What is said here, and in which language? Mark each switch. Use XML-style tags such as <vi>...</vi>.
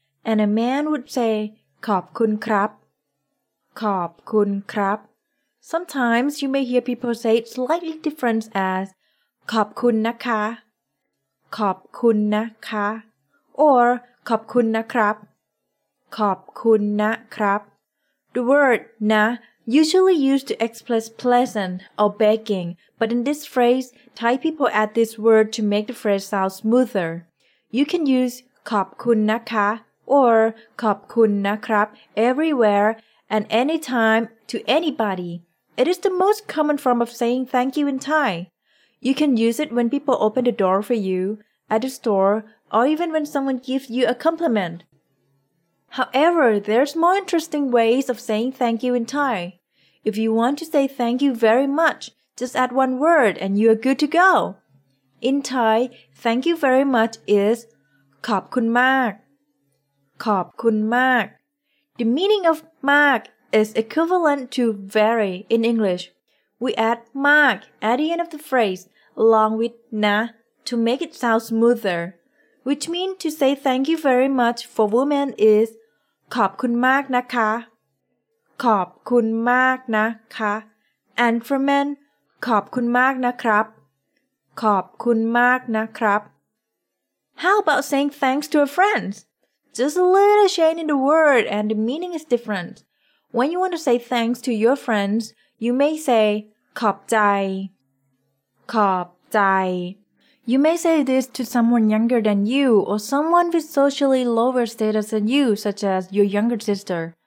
<en>And a man would say,</en> <th>ขอบคุณครับ, ขอบคุณครับ.</th> <en>Sometimes you may hear people say it slightly different as,</en> <th>ขอบคุณนะคะ, ขอบคุณนะคะ,</th> <en>or</en> <th>ขอบคุณนะครับ, ขอบคุณนะครับ.</th> <en>The word นะ usually used to express pleasant or begging, but in this phrase, Thai people add this word to make the phrase sound smoother. You can use</en> <th>ขอบคุณนะคะ</th> <en>Or</en> <th>ขอบคุณนะครับ</th> <en>everywhere and anytime to anybody. It is the most common form of saying thank you in Thai. You can use it when people open the door for you, at the store, or even when someone gives you a compliment. However, there's more interesting ways of saying thank you in Thai. If you want to say thank you very much, just add one word and you are good to go. In Thai, thank you very much is</en> <th>ขอบคุณมากขอบคุณมาก.</th> <en>The meaning of มาก is equivalent to very in English. We add มาก at the end of the phrase along with นะ to make it sound smoother, which means to say thank you very much for women is</en> <th>ขอบคุณมากนะคะ, ขอบคุณมากนะคะ,</th> <en>and for men</en> <th>ขอบคุณมากนะครับ, ขอบคุณมากนะครับ.</th> <en>How about saying thanks to a friend? Just a little change in the word and the meaning is different. When you want to say thanks to your friends, you may say</en> <th>ขอบใจ, ขอบใจ.</th> <en>You may say this to someone younger than you or someone with socially lower status than you, such as your younger sister.</en>